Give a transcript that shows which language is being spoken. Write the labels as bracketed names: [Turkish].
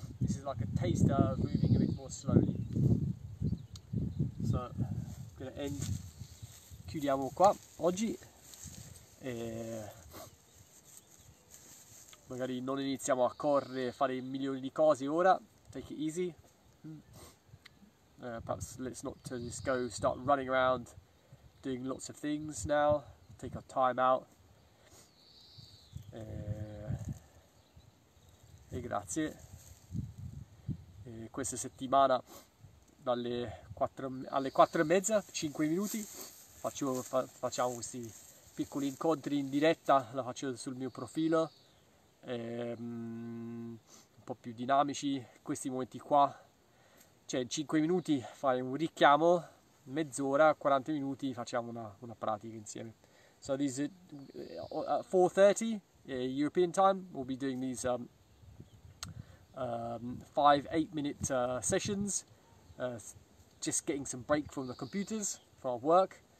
[English] This is like a taster moving a bit more slowly. [Italian] So, chiudiamo qua oggi e magari non iniziamo a correre, fare milioni di cose ora. [English] Take it easy. Perhaps let's not just go start running around doing lots of things now. Take our time out. [Italian] E grazie. E questa settimana dalle 4, alle 4 e mezza, 5 minuti, facciamo questi piccoli incontri in diretta, la faccio sul mio profilo, un po' più dinamici, questi momenti qua, cioè in 5 minuti fai un richiamo, mezz'ora, 40 minuti facciamo una pratica insieme. [English] So this is at 4:30 European time, we'll be doing these 5 8 minute sessions, just getting some break from the computers for our work.